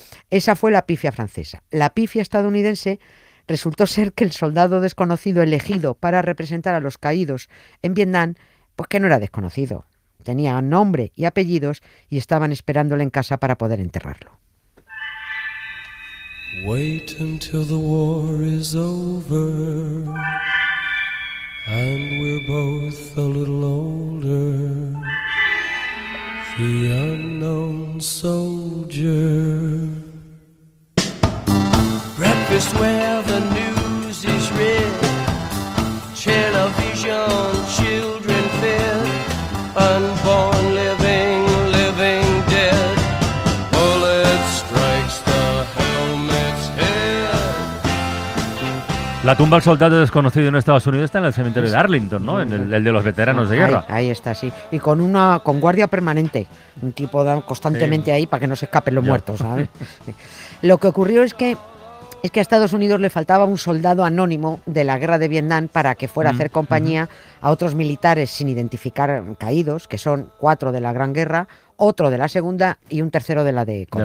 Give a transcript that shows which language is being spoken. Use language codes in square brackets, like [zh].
[es] Esa fue la pifia francesa. La pifia estadounidense resultó ser que el soldado desconocido elegido para representar a los caídos en Vietnam, pues que no era desconocido. Tenía nombre y apellidos y estaban esperándole en casa para poder enterrarlo. [en] Wait until the war is over and we're both a little older. The unknown soldier. Breakfast where the news is read, television, children fed, unborn living, living dead, bullet strikes the helmet's head. [es] La tumba del soldado desconocido en Estados Unidos está en el cementerio de Arlington, ¿no? En el de los veteranos de guerra. Ahí está, sí. Y con guardia permanente, un tipo constantemente ahí para que no se escapen los muertos, ¿sabes? Lo que ocurrió es que a Estados Unidos le faltaba un soldado anónimo de la guerra de Vietnam para que fuera a hacer compañía a otros militares sin identificar caídos, que son 4 de la Gran Guerra, otro de la Segunda y un tercero de la de Corea.